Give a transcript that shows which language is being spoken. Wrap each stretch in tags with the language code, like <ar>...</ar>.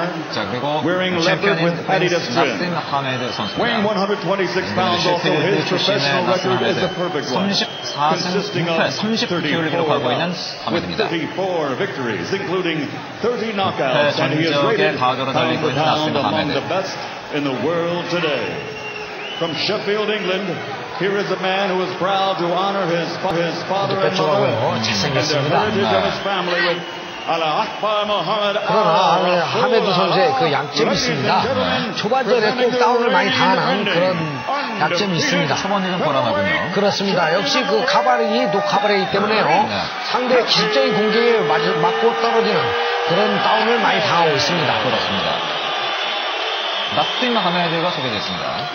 <ko>자 그리고 챔피언인 나심 하메드 선수입니다. 셰필드 출신의 나심 하메드 34승 6패 30KO를 기록하고 있는 하메드입니다. 6패 전적의 과거를 달리고 있는 나심 하메드.</ko> <en>From Sheffield, England, here is a man who is proud to honor his father and mother and the heritage of his family with Al-Haqba Muhammad</en> <ko>선수의 그 약점이 있습니다. 초반전에 꼭 다운을 많이 당하는 그런 약점이 있습니다. 초반전은 불안하군요. 그렇습니다. 역시 그 카바링이 노카바링이기 때문에요. 상대의 기술적인 공격을 맞고 떨어지는 그런 다운을 많이 당하고 있습니다. 그렇습니다. 나스팅 하메드가 소개됐습니다.</ko>